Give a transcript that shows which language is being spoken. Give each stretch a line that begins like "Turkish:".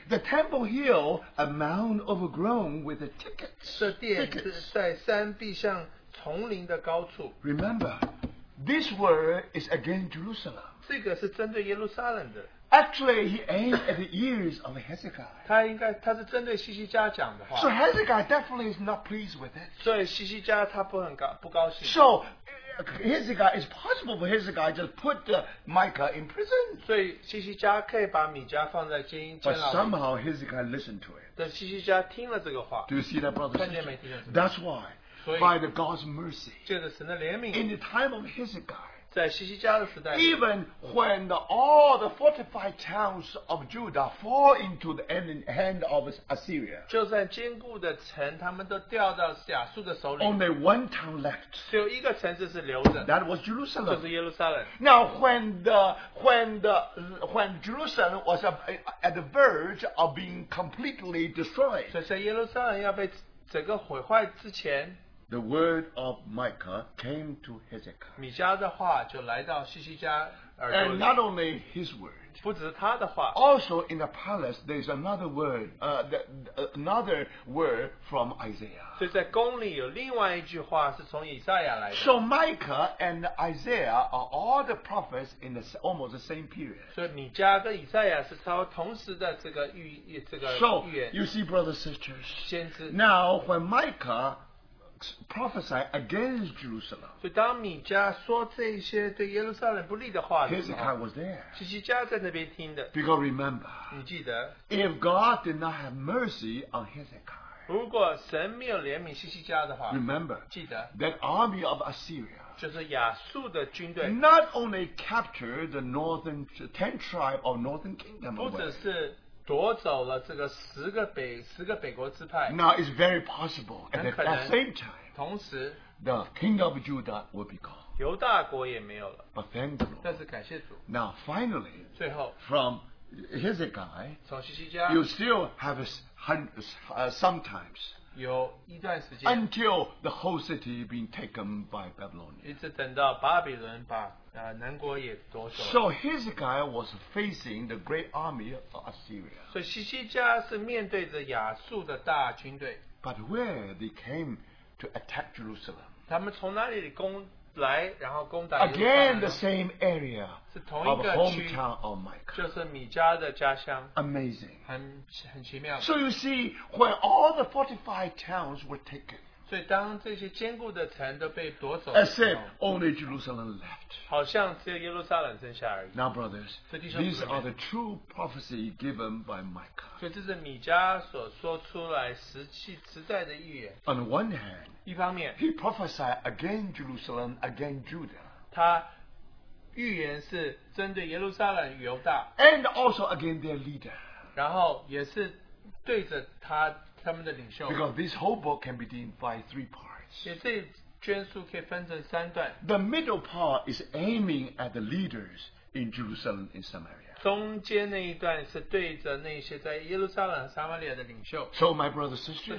English: The Temple Hill, a mound overgrown with the thickets.
Chinese: 这殿在山壁上丛林的高处.
English: Remember, this word is against Jerusalem.
Chinese: 这个是针对耶路撒冷的.
English: Actually, he aimed at the ears of Hezekiah.
Chinese: 他是针对西西家讲的话。
English: So Hezekiah definitely is not pleased with it.
Chinese: 所以西西家他不高兴。
English: So Hezekiah, it's possible for Hezekiah just put Micah in prison.
Chinese: 所以西西家可以把米迦放在监狱。
English: But somehow Hezekiah listened to it.
Chinese: 但西西家听了这个话。
English: Do you see that, brother?
Chinese: 看见没？弟兄们。
English: That's why, by the God's mercy,
Chinese: 借着神的怜悯,
English: in the time of Hezekiah.
Chinese: 在西西家的时代,
English: even when all the fortified towns of Judah fall into the hand of Assyria,
Chinese: 就算坚固的城,
English: only one town left.
Chinese: 只有一个城市是留着,
English: that was Jerusalem.
Chinese: 就是耶路撒冷.
English: Now, when Jerusalem was at the verge of being completely destroyed,
Chinese: 所以在耶路撒冷要被整个毁坏之前,
English: the word of Micah came to Hezekiah. And not only his word,
Chinese: 不只是他的话,
English: also in the palace there is another word, another word from Isaiah. So Micah and Isaiah are all the prophets in the, almost the same period. So you see, brothers and sisters,
Chinese: 先知,
English: now when Micah prophesy against Jerusalem,
Chinese: 所以当米迦说这些对耶路撒冷不利的话,
English: Hezekiah was there.
Chinese: 西西家在那边听的,
English: because remember,
Chinese: 你记得,
English: if God did not have mercy on Hezekiah,
Chinese: 如果神没有怜悯西西家的话,
English: remember,
Chinese: 记得,
English: that army of Assyria,
Chinese: 就是亚述的军队,
English: not only captured the northern 10 tribe of northern kingdom,
Chinese: 不只是 夺走了这个十个北国支派,
English: now it's very possible at the same time
Chinese: 同时,
English: the king of Judah will be gone.
Chinese: 犹大国也没有了,
English: but thank the Lord.
Chinese: 但是感谢主,
English: now finally
Chinese: 最后,
English: from Hezekiah,
Chinese: 从西西家,
English: you still have sometimes
Chinese: 有一段时间,
English: until the whole city being taken by Babylonia.
Chinese: 一直等到巴比伦把,
English: so Hezekiah was facing the great army of Assyria.
Chinese: 所以西西家是面对着亚述的大军队.
English: But where they came to attack Jerusalem?
Chinese: 他们从哪里攻来, 然后攻打,
English: again the same area
Chinese: 是同一个区,
English: of hometown of Micah.
Chinese: 就是米迦的家乡.
English: Amazing.
Chinese: 很奇妙的.
English: So you see, when all the fortified towns were taken,
Chinese: 所以当这些坚固的城都被夺走,
English: as if only Jerusalem left.
Chinese: 好像只有耶路撒冷剩下而已.
English: Now, brothers, these are the true prophecy given by Micah.
Chinese: 所以这是米迦所说出来实际实在的预言.
English: On one hand,
Chinese: 一方面,
English: he prophesied against Jerusalem, against Judah.
Chinese: 他预言是针对耶路撒冷犹大,
English: and also against their leader.
Chinese: 然后也是对着他,
English: because this whole book can be divided by three parts. The middle part is aiming at the leaders in Jerusalem and Samaria. So my brothers and sisters,